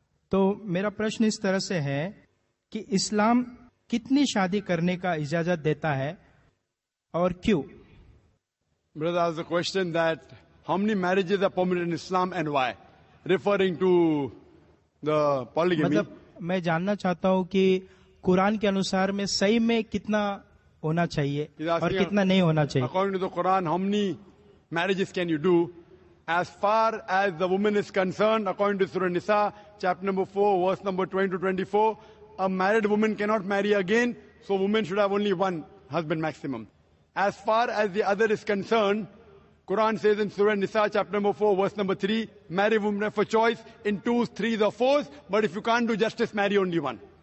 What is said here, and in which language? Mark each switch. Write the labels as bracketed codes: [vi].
[hi] तो मेरा प्रश्न इस तरह से है कि इस्लाम कितनी शादी करने का इजाजत देता है और क्यों? [en] Brother asked the question that how many marriages are permitted in Islam and why, referring to the polygamy. [hi] मतलब मैं जानना चाहता हूँ कि कुरान के अनुसार में सही में कितना होना चाहिए और कितना नहीं होना चाहिए. [en] According to the Quran, how many marriages can you do? As far as the woman is concerned, according to Surah Nisa, chapter number 4, verse number 20-24, a married woman cannot marry again, so woman should have only one husband maximum. As far as the other is concerned, Quran says in Surah Nisa, chapter number 4, verse number 3, marry woman for choice in twos, threes or fours, but if you can't do justice, marry only one.